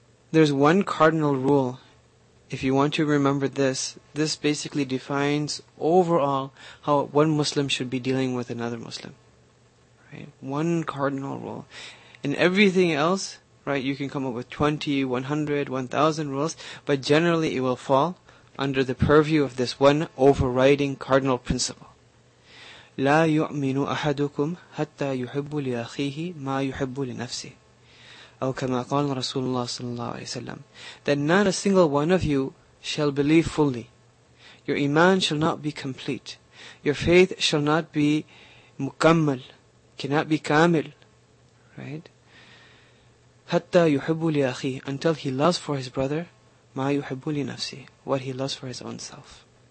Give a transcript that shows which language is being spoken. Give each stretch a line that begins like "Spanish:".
English: There's one cardinal rule. If you want to remember this, this basically defines overall how one Muslim should be dealing with another Muslim. Right? One cardinal rule. And everything else, right, you can come up with 20, 100, 1,000 rules, but generally it will fall under the purview of this one overriding cardinal principle.
Arabic: لا يؤمن أحدكم حتى يحب لأخيه ما يحب لنفسه. أو كما قال رسول الله صلى الله عليه وسلم.
English: That not a single one of you shall believe fully. Your iman shall not be complete. Your faith shall not be مكمل. Cannot be كامل.
Arabic: Right? حتى يحب لأخيه.
English: Until he loves for his brother
Arabic: ما يحب لنفسه,
English: what he loves for his own self.